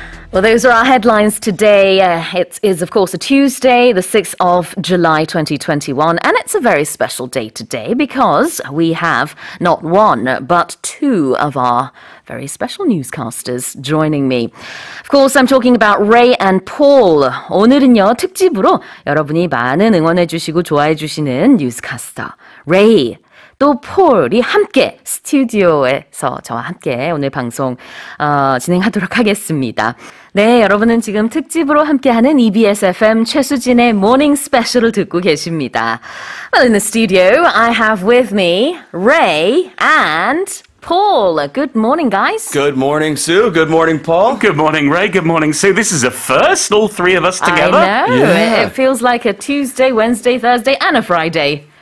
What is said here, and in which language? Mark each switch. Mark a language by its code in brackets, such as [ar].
[en] Well, those are our headlines today. It is, of course, a Tuesday, the 6th of July, 2021. And it's a very special day today because we have not one, but two of our very special newscasters joining me. Of course, I'm talking about Ray and Paul. [ko] 오늘은요, 특집으로 여러분이 많은 응원해 주시고 좋아해 주시는 뉴스카스터, Ray. 또 폴이 함께 스튜디오에서 저와 함께 오늘 방송 진행하도록 하겠습니다. 네, 여러분은 지금 특집으로 함께하는 EBS FM 최수진의 모닝 스페셜을 듣고 계십니다. [en] Well, in the studio, I have with me Ray and Paul. Good morning, guys. Good morning, Sue. Good morning, Paul. Good morning, Ray. Good morning, Sue. This is a first, all three of us together. I know. Yeah. It feels like a Tuesday, Wednesday, Thursday and a Friday.